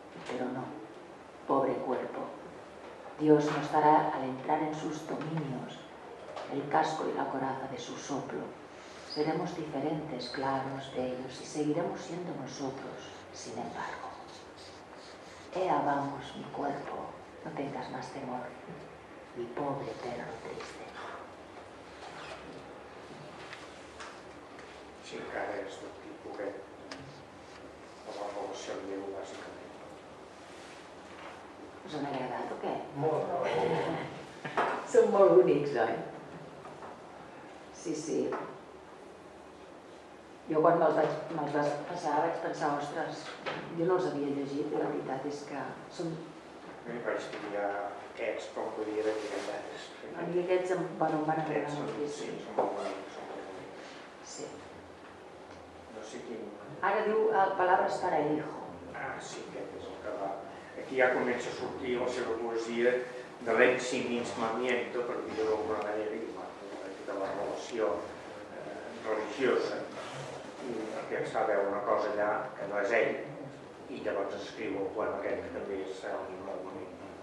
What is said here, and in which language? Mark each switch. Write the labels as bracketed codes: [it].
[es] Pero no, pobre cuerpo, Dios nos dará al entrar en sus dominios el casco y la coraza de su soplo. Seremos diferentes, claros, bellos, y seguiremos siendo nosotros, sin embargo. Ea, vamos, mi cuerpo, no tengas más temor, mi pobre perro triste. [ca] Sí, encara és del tipus que la revolució en Déu, bàsicament. Us han agradat o què? Molt, molt. Són molt únics, oi? Sí, sí. Jo quan me'ls vas passar vaig pensar, ostres, jo no els havia llegit i la veritat és que són... No hi vaig tirar aquests, però podria haver tirat d'altres. A mi aquests em van agradar moltíssim. Sí, són molt bons. Sí. No sé quin... Ara diu Palabras para el hijo. Ah, sí, aquest és el que va... Aquí ja comença a sortir la seva poesia de l'eximismamiento, per dir-ho d'alguna manera, de la relació religiosa. Perquè s'ha de veure una cosa allà que no és ell, i llavors escriu el poema aquest, que també és molt bonic.